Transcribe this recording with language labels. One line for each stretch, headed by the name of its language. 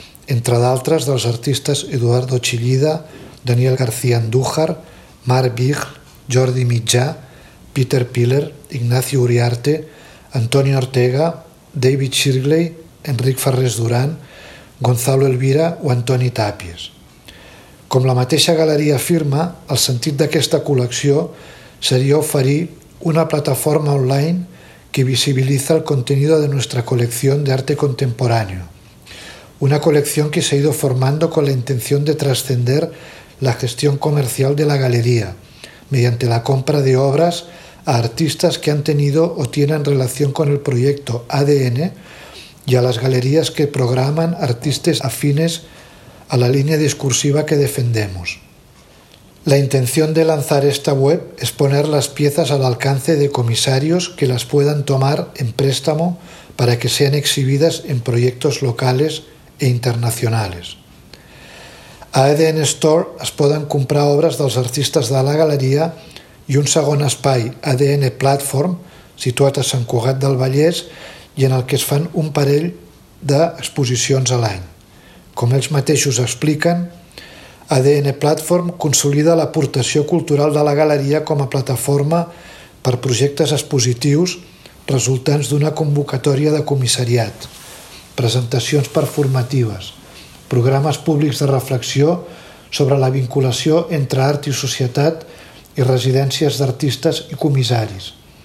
Catalan: entre d'altres dels artistes Eduardo Chillida, Daniel García Andújar, Marc Vigl, Jordi Mitjà, Peter Piller, Ignacio Uriarte, Antonio Ortega, David Shirley, Enric Farrés Durán, Gonzalo Elvira o Antoni Tàpies. Com la mateixa galeria afirma, el sentit d'aquesta col·lecció seria oferir una plataforma online que visibilitza
Spanish: el contenido de nuestra colección de arte contemporáneo, una colección que se ha ido formando con la intención de trascender la gestión comercial de la galería mediante la compra de obras a artistas que han tenido o tienen relación con el proyecto ADN y a las galerías que programan artistas afines a la línea discursiva que defendemos. La intención de lanzar esta web es poner las piezas al alcance de comisarios que las puedan tomar en préstamo para que sean exhibidas en proyectos locales e internacionales.
Catalan: A ADN Store es poden comprar obres dels artistes de la galeria i un segon espai, ADN Platform, situat a Sant Cugat del Vallès i en el que es fan un parell d'exposicions a l'any. Com ells mateixos expliquen, ADN Platform consolida l'aportació cultural de la galeria com a plataforma per projectes expositius resultants d'una convocatòria de comissariat, presentacions performatives, programes públics de reflexió sobre la vinculació entre art i societat i residències d'artistes i comissaris.